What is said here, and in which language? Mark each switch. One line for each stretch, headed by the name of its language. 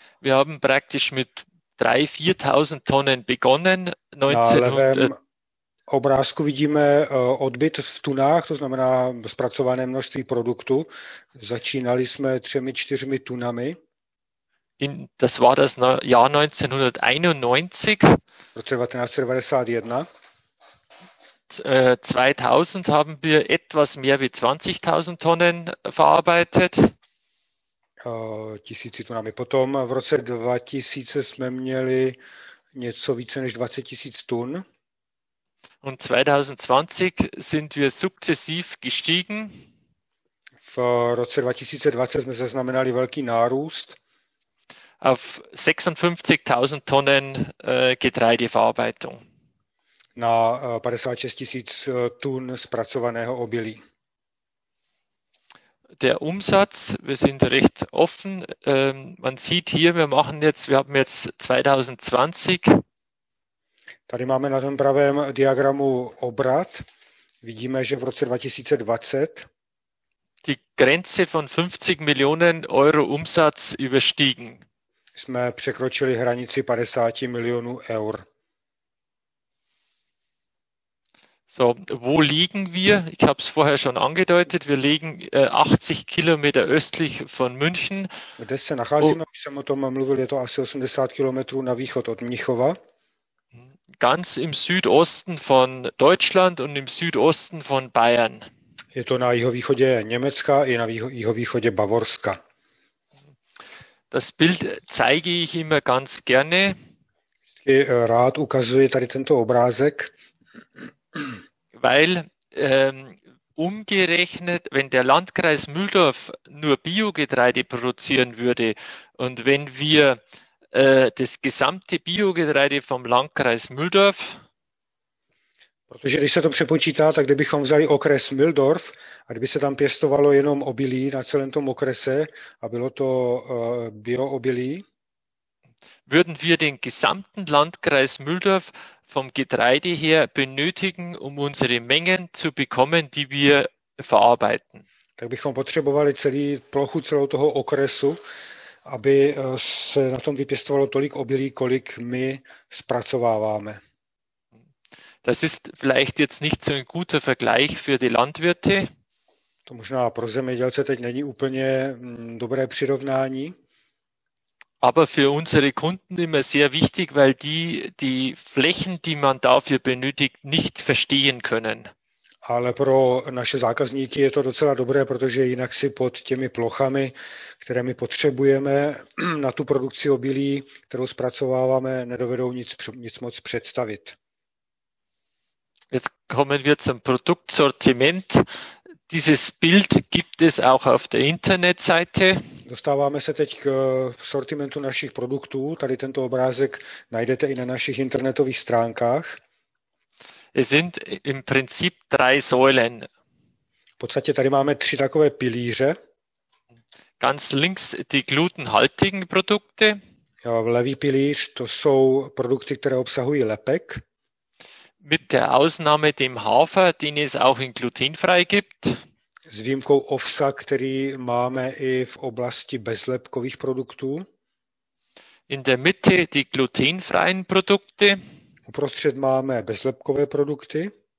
German: Wir haben praktisch mit 3-4.000 Tonnen begonnen.
Czech: Na levém obrázku vidíme odbyt v tunách, to znamená zpracované množství produktu. Začínali jsme 3-4 tunami.
German: Das war das Jahr 1991.
Czech: V roce 1991.
German: 2000 haben wir etwas mehr wie 20.000 Tonnen verarbeitet.
Czech: Tisíci tunami. Potom v roce 2000 jsme měli něco více než 20.000 tun.
German: Und 2020 sind wir sukzessiv gestiegen.
Czech: V roce 2020 jsme zaznamenali velký nárůst.
German: Auf 56.000 Tonnen Getreideverarbeitung.
Czech: Na 56.000 Tun zpracovaného obilí.
German: Der Umsatz, wir sind recht offen. Man sieht hier, wir haben jetzt 2020.
Czech: Tady máme na tom pravém diagramu obrat. Vidíme, že v roce 2020
German: die Grenze von 50 Millionen Euro Umsatz überstiegen.
Czech: Jsme překročili hranici 50 milionů eur.
German: So, wo liegen wir? Ich habe es vorher schon angedeutet. Wir liegen 80 Kilometer östlich von München.
Czech: Kde se nacházíme? Už jsem o tom mluvil, je to asi 80 kilometrů na východ od Mnichova.
German: Ganz im Südosten von Deutschland und im Südosten von Bayern.
Czech: Je to na jihovýchodě Německa i na jihovýchodě Bavorska.
German: Das Bild zeige ich immer ganz gerne.
Czech: Vždycky rád ukazuje tady tento obrázek.
German: Weil umgerechnet, wenn der Landkreis Mühldorf nur Biogetreide produzieren würde und wenn wir das gesamte Biogetreide vom Landkreis Mühldorf.
Czech: Protože když se to přepočítá, tak kdybychom vzali okres Mühldorf a kdyby se tam pěstovalo jenom obilí na celém tom okrese a bylo to bioobilí,
German: würden wir den gesamten Landkreis Mühldorf vom Getreide her benötigen, um unsere Mengen zu bekommen, die wir verarbeiten.
Czech: Tak bychom potřebovali celý plochu celou toho okresu, aby se na tom vypěstovalo tolik obilí, kolik my zpracováváme.
German: Das ist vielleicht jetzt nicht so ein guter Vergleich für die Landwirte.
Czech: To možná pro zemědělce teď není úplně dobré přirovnání.
German: Aber für unsere Kunden immer sehr wichtig, weil die Flächen, die man dafür benötigt, nicht verstehen können.
Czech: Ale pro naše zákazníky je to docela dobré, protože jinak si pod těmi plochami, které my potřebujeme na tu produkci obilí, kterou zpracováváme, nedovedou nic moc představit.
German: Jetzt kommen wir zum Produktsortiment. Dieses Bild gibt es auch auf der Internetseite.
Czech: Dostáváme se teď k sortimentu našich produktů. Tady tento obrázek najdete i na našich internetových stránkách.
German: Es sind im Prinzip drei Säulen.
Czech: V podstatě tady máme tři takové pilíře.
German: Ganz links die glutenhaltigen Produkte.
Czech: Ja, levý pilíř, to jsou produkty, které obsahují lepek.
German: Mit der Ausnahme dem Hafer, den es auch in glutenfrei gibt.
Czech: S výjimkou ovsa, který máme i v oblasti bezlepkových produktů.
German: In der Mitte die glutenfreien Produkte.
Czech: Uprostřed máme bezlepkové produkty.